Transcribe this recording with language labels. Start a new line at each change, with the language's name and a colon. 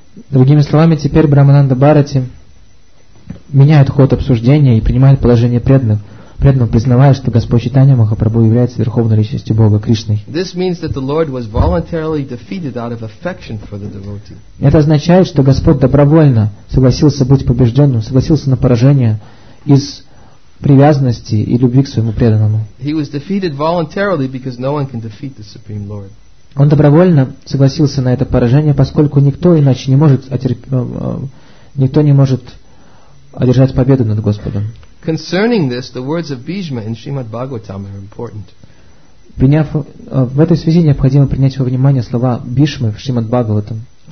Russian: Другими словами, теперь Брамананда Бхарати меняет ход обсуждения и принимает положение преданных, признавая, что Господь Чайтанья Махапрабху является верховной личностью Бога Кришны.
English: This means that the Lord was voluntarily defeated out of affection for the devotee.
Russian: Это означает, что Господь добровольно согласился быть побежденным, согласился на поражение из привязанности и любви к своему преданному.
English: He was defeated voluntarily because no one can defeat the Supreme Lord.
Russian: Он добровольно согласился на это поражение, поскольку никто иначе не может одержать победу над Господом.
English: Concerning this, the words of Bhishma in Srimad Bhagavatam are important.
Russian: В этой связи необходимо принять во внимание слова Бишмы в Шримад Бхагаватам.